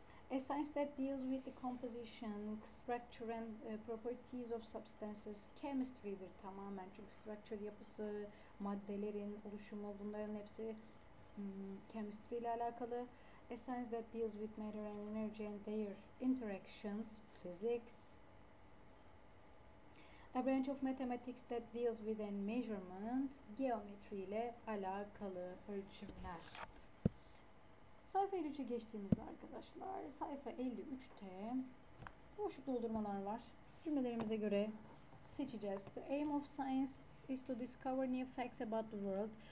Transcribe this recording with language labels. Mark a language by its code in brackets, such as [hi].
[en] A science that deals with the composition, structure and properties of substances. [tr] Chemistry'dir tamamen. Çünkü structure, yapısı, maddelerin oluşumu, bunların hepsi chemistry ile alakalı. [en] A science that deals with matter and energy and their interactions. Physics. A branch of mathematics that deals with a measurement, [tr] geometri ile alakalı ölçümler. Sayfa 53'e geçtiğimizde arkadaşlar, sayfa 53'te boşluk doldurmalar var. cümlelerimize göre seçeceğiz. [en] The aim of science is to discover new facts about the world.